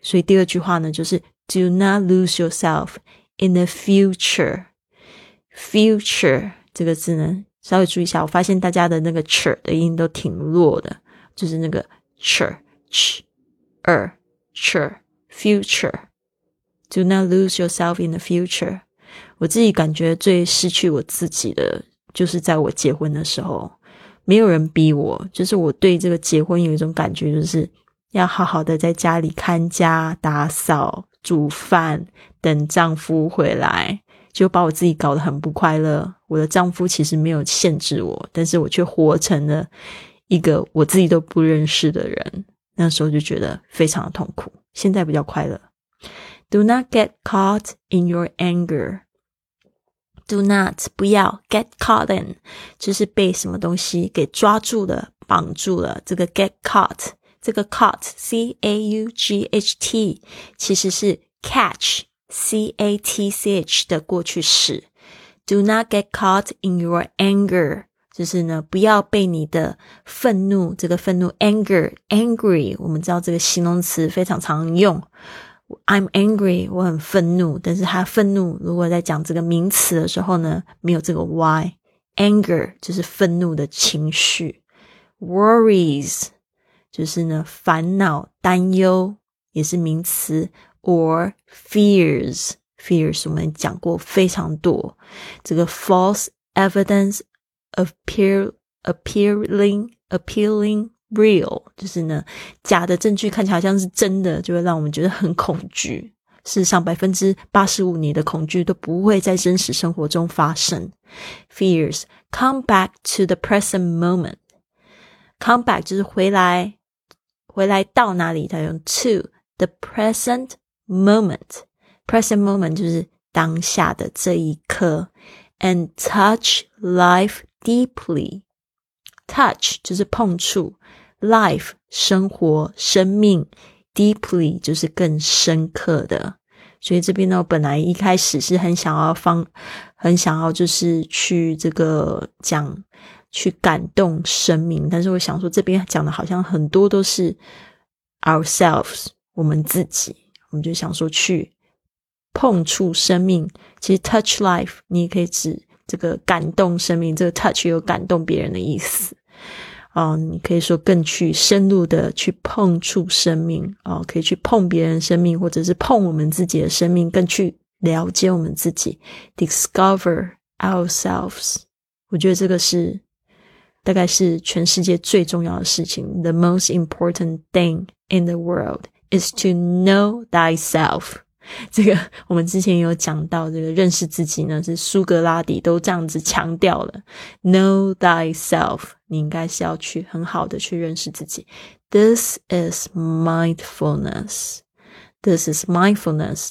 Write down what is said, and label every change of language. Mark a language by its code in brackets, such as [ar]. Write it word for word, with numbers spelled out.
[zh] 所以第二句话呢，就是 [en] Do not lose yourself. In the future. [zh] Future 这个字呢，稍微注意一下，我发现大家的那个 ch 的音都挺弱的，就是那个 [en] ch ch er ch future. Do not lose yourself in the future. [zh] 我自己感觉最失去我自己的，就是在我结婚的时候，没有人逼我，就是我对这个结婚有一种感觉，就是要好好的在家里看家、打扫、煮饭，等丈夫回来，就把我自己搞得很不快乐。我的丈夫其实没有限制我，但是我却活成了一个我自己都不认识的人。那时候就觉得非常的痛苦，现在比较快乐。 [en] Do not get caught in your anger. Do not, [zh] 不要 [en] get caught in [zh] 就是被什么东西给抓住了，绑住了。这个 [en] get caught， [zh] 这个 caught, C-A-U-G-H-T 其实是 catch, [en] catch [zh] 的过去式。 [en] Do not get caught in your anger. [zh] 就是呢，不要被你的愤怒，这个愤怒 [en] anger, angry, [zh] 我们知道这个形容词非常常用。 [en] I'm angry, [zh] 我很愤怒，但是他愤怒如果在讲这个名词的时候呢，没有这个 why。 Anger 就是愤怒的情绪。Worries 就是呢烦恼、担忧，也是名词。 [en] Or fears fears [zh] 我们讲过非常多，这个 [en] false evidence appear, appealing appealing real [zh] 就是呢假的证据看起来好像是真的，就会让我们觉得很恐惧。事实上 百分之八十五 你的恐惧都不会在真实生活中发生。 [en] Fears come back to the present moment. Come back [zh] 就是回来，回来到哪里，它用 [en] to the present moment. Present moment [zh] 就是当下的这一刻。 [en] And touch life deeply. Touch [zh] 就是碰触 [en] life [zh] 生活生命， [en] deeply [zh] 就是更深刻的。所以这边呢，本来一开始是很想要放，很想要就是去这个讲，去感动生命，但是我想说这边讲的好像很多都是 ourselves 我们自己，我们就想说去碰触生命。其实 touch life 你也可以指这个感动生命，这个 touch 有感动别人的意思。哦，你可以说更去深入的去碰触生命，哦，可以去碰别人生命，或者是碰我们自己的生命，更去了解我们自己 [en] discover ourselves。 [zh] 我觉得这个是大概是全世界最重要的事情。 [en] The most important thing in the world is to know thyself。 [zh] 这个我们之前有讲到，这个认识自己呢是苏格拉底都这样子强调了。 [en] Know thyself， [zh] 你应该是要去很好的去认识自己。 [en] This is mindfulness. This is mindfulness.